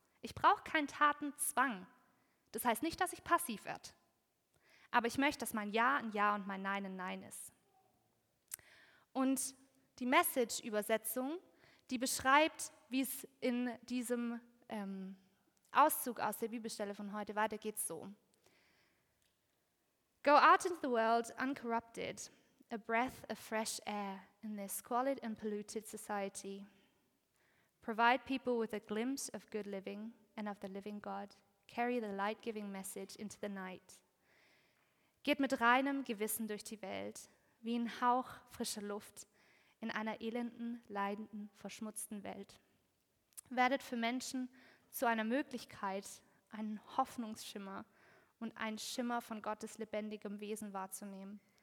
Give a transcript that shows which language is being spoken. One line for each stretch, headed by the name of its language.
German: Ich brauche keinen Tatenzwang. Das heißt nicht, dass ich passiv werde. Aber ich möchte, dass mein Ja ein Ja und mein Nein ein Nein ist. Und die Message-Übersetzung, die beschreibt, wie es in diesem Auszug aus der Bibelstelle von heute weitergeht, so.
English: Go out into the world uncorrupted, a breath of fresh air in this squalid and polluted society. Provide people with a glimpse of good living and of the living God. Carry the light-giving message into the night.
German: Geht mit reinem Gewissen durch die Welt, wie ein Hauch frischer Luft in einer elenden, leidenden, verschmutzten Welt. Werdet für Menschen zu einer Möglichkeit, einen Hoffnungsschimmer und einen Schimmer von Gottes lebendigem Wesen wahrzunehmen.